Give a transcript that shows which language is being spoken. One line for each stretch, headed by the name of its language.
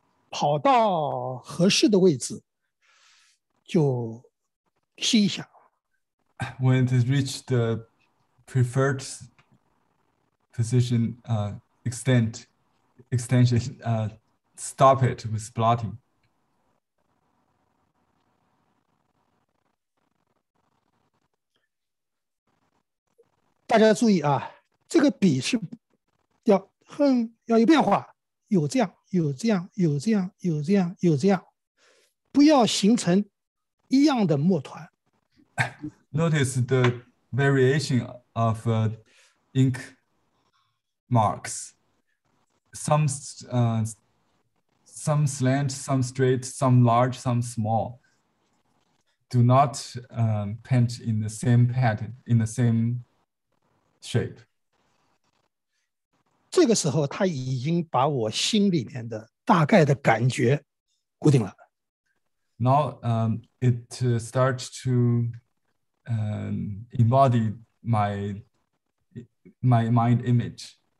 Chinese: 跑到合适的位置就吸一下。
English: When it has reached the preferred position, extension, stop it with blotting.
Chinese: 大家注意啊，这个笔是要很要有变化，有这样，有这样，有这样，有这样，有这样，不要形成一样的墨团。
English: Notice the variation of ink marks. Some slant, some straight, some large, some small. Do not paint in the same pattern, in the same shape.
Chinese: 这个时候他已经把我心里面的大概的感觉固定了。
English: Now it starts to embody my mind image.